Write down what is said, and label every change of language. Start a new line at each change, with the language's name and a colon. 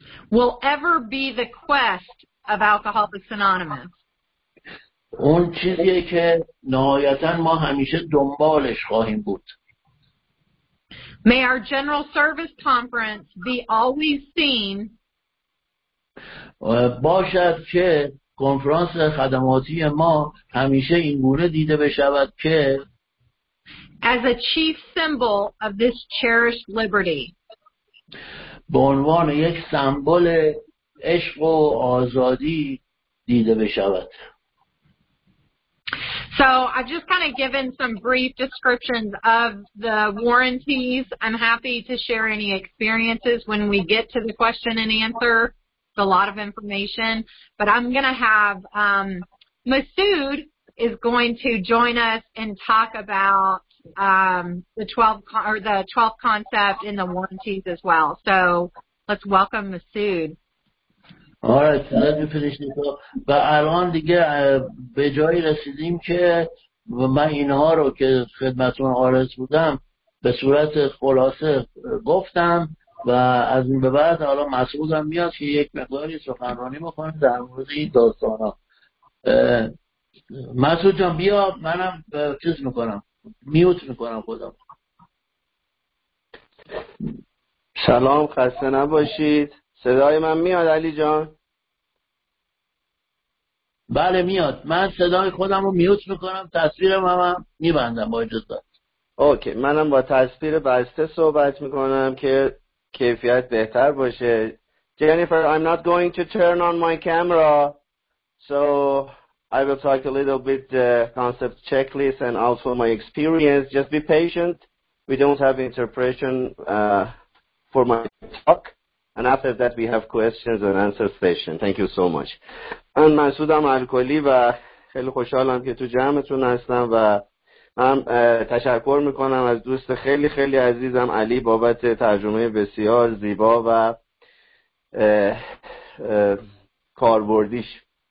English: will ever be the quest of Alcoholics Anonymous.
Persian: اون چیزیه که نهایتاً ما همیشه دنبالش خواهیم بود.
English: May our general service conference be always seen.
Persian: باشد که کنفرانس خدماتی ما همیشه اینگونه دیده بشود که
English: as a chief symbol of this cherished liberty.
Persian: به عنوان یک سمبل عشق و آزادی دیده بشود.
English: So I've just kind of given some brief descriptions of the warranties. I'm happy to share any experiences when we get to the question and answer. It's a lot of information. But I'm going to have Masood is going to join us and talk about the 12th concept and the warranties as well. So let's welcome Masood. All right, let me finish this up.
Persian: و الان دیگه به جایی رسیدیم که من اینها رو که خدمتون عارض بودم به صورت خلاصه گفتم و از این به بعد حالا مسعودم میاد که یک مقداری سخنرانی بکنه در مورد این داستانا. مسعود جان بیا منم چیز میکنم میوت میکنم خودم. سلام، خسته نباشید. صدای من میاد علی جان؟ بله میاد. من صدای خودم رو میوت میکنم، تصویرم هم میبندم با اجازه. اوکی، منم با تصویر بسته صحبت میکنم که کیفیت بهتر باشه.
English: Jennifer, I'm not going to turn on my camera, so I will talk a little bit the concept checklist and also my experience. Just be patient. We don't have interpretation for my talk. And after that, we have questions and answer session. Thank you so much.
Persian: من مسعودم الکلی و خیلی خوشحالم که تو جمعتون هستم و هم تشکر میکنم از دوست خیلی خیلی عزیزم علی بابت ترجمه بسیار زیبا و کاربردیش.